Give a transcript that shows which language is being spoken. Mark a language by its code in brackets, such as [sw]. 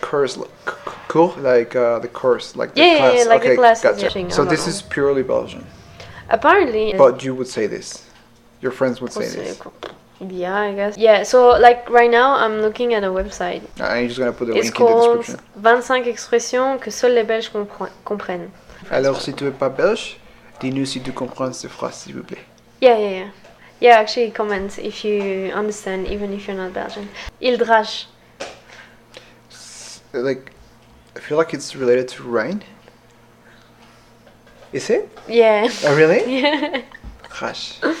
[en] Course, cool, like the course, like the class. Yeah, like okay, the class. Gotcha. So this is purely Belgian. Apparently. But you would say this. Your friends would say this. Yeah, I guess. Yeah, so like right now, I'm looking at a website. I'm just gonna put the it's link in the description. It's called [fr] 25 expressions que seuls les Belges comprennent. Alors, si tu es pas belge, dis-nous si tu comprends cette phrase, s'il vous plaît. [en] Yeah. Actually, comment if you understand, even if you're not Belgian. [fr] Il drache. [en] Like, I feel like it's related to rain. Is it? Yeah. Oh, really? Yeah. [fr] Drache.